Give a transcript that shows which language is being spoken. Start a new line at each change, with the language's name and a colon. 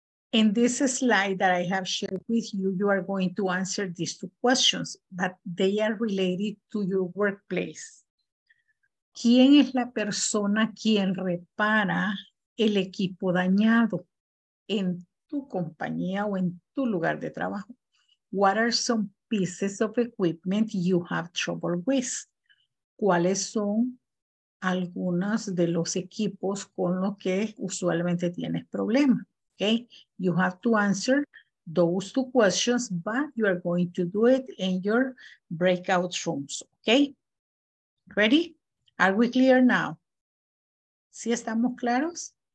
English: In this slide that I have shared with you, you are going to answer these two questions, but they are related to your workplace.
Spanish: ¿Quién es la persona quien repara el equipo dañado en tu compañía o en tu lugar de trabajo?
English: What are some pieces of equipment you have trouble with?
Spanish: ¿Cuáles son algunos de los equipos con los que usualmente tienes problemas?
English: Okay, you have to answer those two questions, but you are going to do it in your breakout rooms. Okay, ready? Are we clear now?
Spanish: ¿Sí estamos claros?